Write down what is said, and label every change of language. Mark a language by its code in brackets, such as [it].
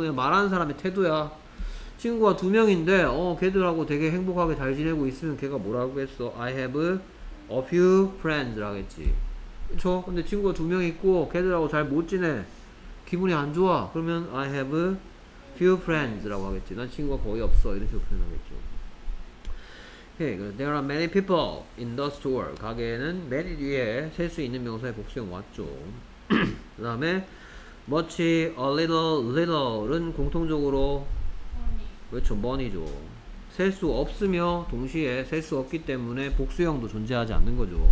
[ko] 그냥 말하는 사람의 태도야. 친구가 두 명인데 걔들하고 되게 행복하게 잘 지내고 있으면 걔가 뭐라고 했어? [en] I have a few friends라고 했지. [ko] 그렇죠? 근데 친구가 두 명 있고 걔들하고 잘 못 지내. 기분이 안 좋아. 그러면 [en] I have few friends [ko] 라고 하겠지. 난 친구가 거의 없어. 이런 식으로 표현하겠죠. [en] Okay, there are many people in the store. [ko] 가게에는 many 뒤에 셀 수 있는 명사의 복수형 왔죠. 그 다음에 much, a little, little은 공통적으로 그렇죠. money죠. 셀 수 없으며 동시에 셀 수 없기 때문에 복수형도 존재하지 않는 거죠.